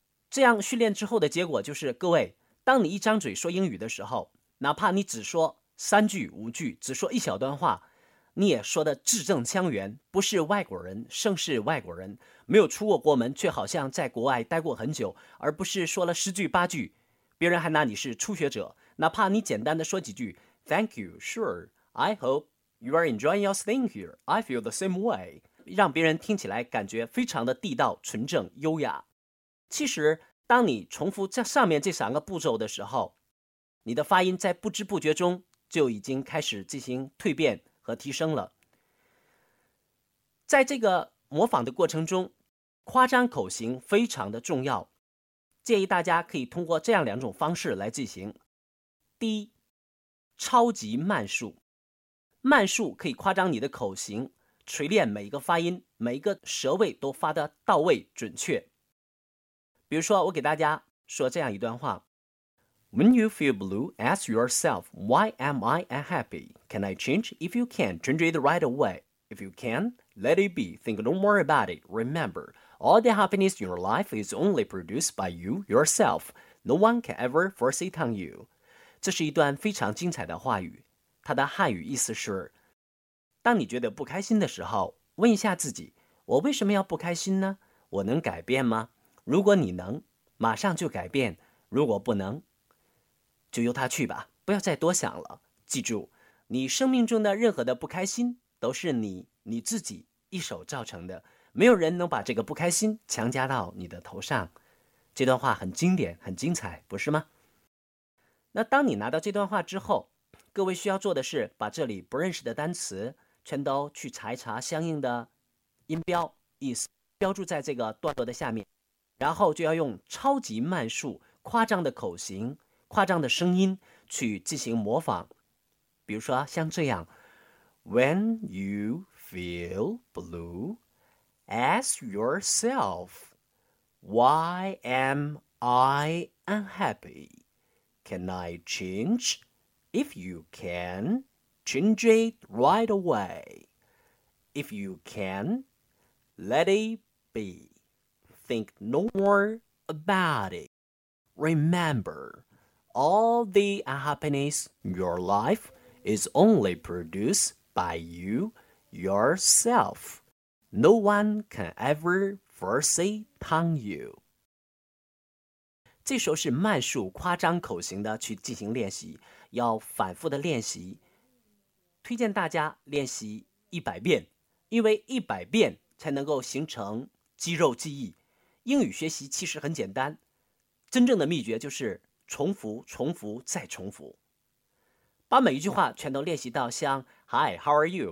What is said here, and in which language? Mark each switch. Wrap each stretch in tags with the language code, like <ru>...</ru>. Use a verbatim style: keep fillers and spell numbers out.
<zh>这样训练之后的结果就是，各位，当你一张嘴说英语的时候，哪怕你只说三句五句，只说一小段话，你也说的字正腔圆，不是外国人胜似外国人，没有出过国门却好像在国外待过很久，而不是说了十句八句别人还拿你是初学者。哪怕你简单的说几句</zh> <en>Thank you, sure, I hope you are enjoying your staying here, I feel the same way,</en> <zh>让别人听起来感觉非常的地道、纯正、优雅。其实当你重复这上面这三个步骤的时候，你的发音在不知不觉中就已经开始进行蜕变和提升了。在这个模仿的过程中，夸张口型非常的重要，建议大家可以通过这样两种方式来进行。第一，超级慢速。慢速可以夸张你的口型，锤炼每一个发音，每一个舌位都发得到位准确。比如说，我给大家说这样一段话。</zh> <en>When you feel blue, ask yourself, why am I unhappy? Can I change? If you can, change it right away. If you can, let it be. Think no more about it. Remember, all the happiness in your life is only produced by you, yourself. No one can ever force it on you.</en> <zh>这是一段非常精彩的话语，它的汉语意思是：当你觉得不开心的时候，问一下自己，我为什么要不开心呢？我能改变吗？如果你能，马上就改变；如果不能，就由他去吧，不要再多想了。记住，你生命中的任何的不开心都是你你自己一手造成的，没有人能把这个不开心强加到你的头上。这段话很经典，很精彩，不是吗？那当你拿到这段话之后，各位需要做的是把这里不认识的单词全都去查一查相应的音标意思，标注在这个段落的下面，然后就要用超级慢速、夸张的口型、夸张的声音去进行模仿。比如说像这样</zh> <en>When you feel blue, ask yourself, why am I unhappy? Can I change? If you can, change it right away. If you can, let it be. Think no more about it. Remember,All the unhappiness in your life is only produced by you, yourself. No one can ever force it on you.</en> <zh>这时候是慢速、夸张口型的去进行练习，要反复的练习。推荐大家练习一百遍，因为一百遍才能够形成肌肉记忆。英语学习其实很简单，真正的秘诀就是重复重复再重复，把每一句话全都练习到像</zh> <en>Hi, how are you?</en>